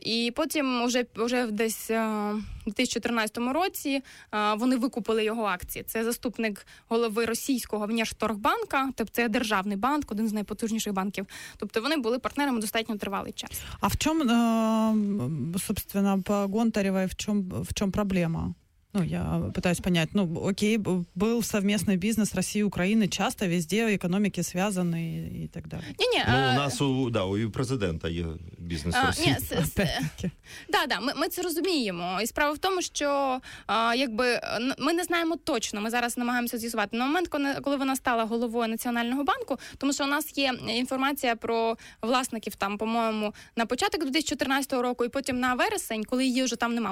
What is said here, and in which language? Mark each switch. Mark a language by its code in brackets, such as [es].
[uk] І потім вже десь у 2014 році вони викупили його акції. Це заступник голови російського Внешторгбанка, тобто це державний банк, один з найпотужніших банків. Тобто вони були партнерами достатньо тривалий час. А в чому, собственно, по Гонтарєвій, в чому проблема? [ru] Ну, я пытаюсь понять. Ну, окей, был совместный бизнес России и Украины, часто везде экономики связаны и так далее. Не-не. Ну, у нас, у президента есть [uk] бізнес Росії. Да, ми це розуміємо. І справа в тому, що якби ми не знаємо точно, ми зараз намагаємося з'ясувати. На момент, коли вона стала головою Національного банку, тому що у нас є інформація про власників, там, по-моєму, на початок 2014 року і потім на вересень, коли її вже там нема.